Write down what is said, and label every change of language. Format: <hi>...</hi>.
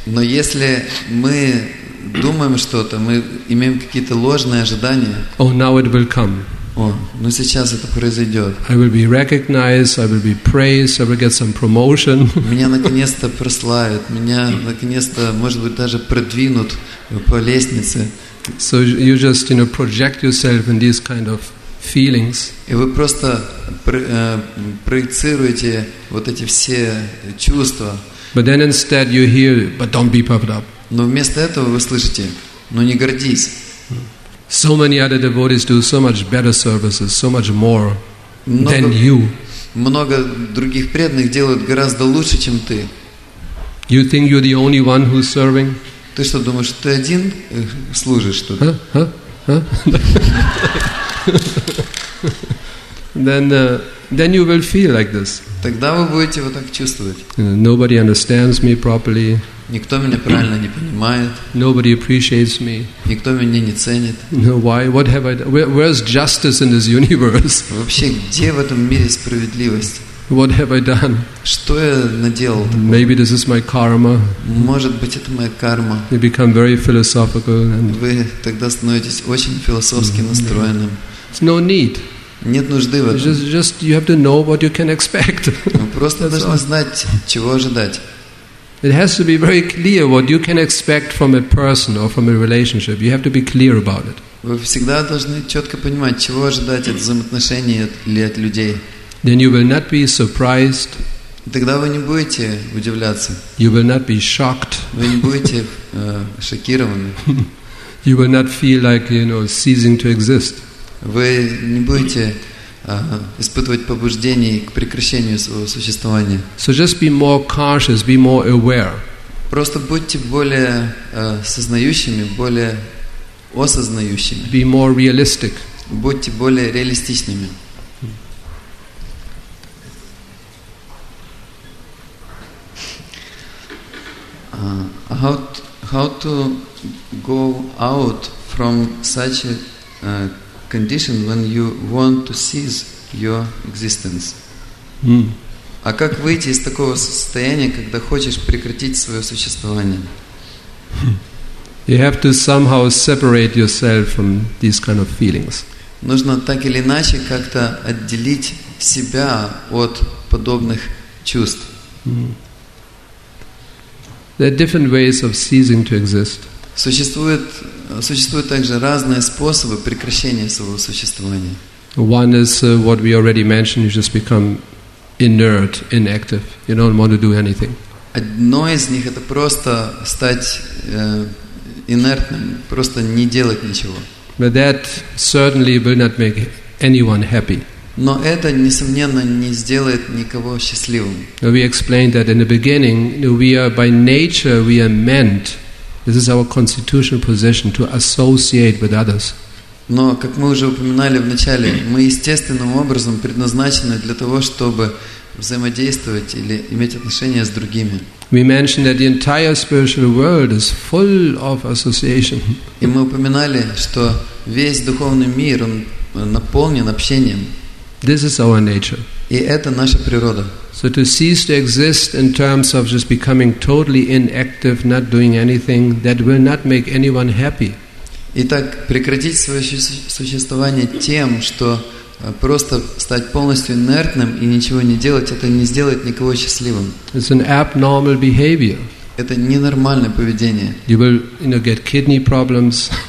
<ru>Но если мы думаем что-то, мы имеем какие-то ложные ожидания.</ru> <en>Oh, now it will come.</en> <ru>О, ну сейчас это произойдет.</ru> <en>I will be recognized, I will be praised, I will get some promotion.</en> <ru>Меня наконец-то прославят, меня наконец-то, может быть, даже продвинут по лестнице.</ru> <en>So you just, project yourself in these kind of feelings.</en> <ru>И вы просто проецируете вот эти все чувства.</ru> <en>But then instead you hear, but don't be puffed up.</en> <ru>Но вместо этого вы слышите, ну не гордись.</ru> <en>So many other devotees do so much better services, so much more. than you.</en> <ru>Много других преданных делают гораздо лучше, чем ты.</ru> <en>You think you're the only one who's serving?</en> <ru>Ты что думаешь, ты один служишь тут?</ru> <en>Then you will feel like this.</en> <ru>Тогда вы будете вот так чувствовать.</ru> <en>Nobody understands me properly.</en> <ru>Никто меня правильно не понимает.</ru> <en>Nobody appreciates me.</en> <ru>Никто меня не ценит.</ru> <en>No, why? What have I done? Where's justice in this universe?</en> <ru>Вообще, где в этом мире справедливость?</ru> <en>What have I done?</en> <ru>Что я наделал?</ru> <en>Maybe this is my karma.</en> <ru>Может быть, это моя карма.</ru> <en>You become very philosophical. And</en> <ru>вы тогда становитесь очень философски настроенным.</ru> <en>No need.</en> <ru>Нет нужды в этом.</ru> <en>Just you have to know what you can expect.</en> <ru>Вы просто должны знать, чего ожидать.</ru> <en>It has to be very clear what you can expect from a person or from a relationship. You have to be clear about it.</en> <ru>Вы всегда должны четко понимать, чего ожидать от взаимоотношений или от людей.</ru> <en>Then you will not be surprised.</en> <ru>Тогда вы не будете удивляться.</ru> <en>You will not be shocked.</en> <ru>Вы не будете шокированы.</ru> <en>You will not feel like, you know, ceasing to exist.</en> <ru>Вы не будете испытывать побуждение к прекращению своего существования.</ru> <en>So just be more cautious, be more aware.</en> <ru>Просто будьте более сознающими, более осознающими.</ru> <en>Be more realistic.</en> <ru>Будьте более реалистичными.</ru> <en>How to go out from such a condition when you want to cease your existence. Mm.</en> <ru>А как выйти из такого состояния, когда хочешь прекратить свое существование?</ru> <en>You have to somehow separate yourself from these kind of feelings.</en> <ru>Нужно так или иначе как-то отделить себя от подобных чувств. Mm.</ru> <en>There are different ways of ceasing to exist.</en> <ru>Существуют также разные способы прекращения своего существования.</ru> <en>One is what we already mentioned, you just become inert, inactive. You don't want to do anything.</en> <ru>Одно из них — это просто стать инертным, просто не делать ничего.</ru> <en>But that certainly will not make anyone happy.</en> <ru>Но это, несомненно, не сделает никого счастливым.</ru> <en>We explained that in the beginning, we are by nature, we are meant. This is our constitutional position to associate with others.</en> <ru>Но, как мы уже упоминали в начале, мы естественным образом предназначены для того, чтобы взаимодействовать или иметь отношения с другими.</ru> <en>We mentioned that the entire spiritual world is full of association.</en> <ru>И мы упоминали, что весь духовный мир, он наполнен общением.</ru> <en>This is our nature.</en> <ru>И это наша природа.</ru> <en>So to cease to exist in terms of just becoming totally inactive, not doing anything, that will not make anyone happy.</en> <ru>Итак, прекратить свое существование тем, что просто стать полностью инертным и ничего не делать, это не сделает никого счастливым.</ru> <en>It's an abnormal behavior.</en> <ru>Это ненормальное поведение.</ru> <en>You will, you know, get kidney problems.</en>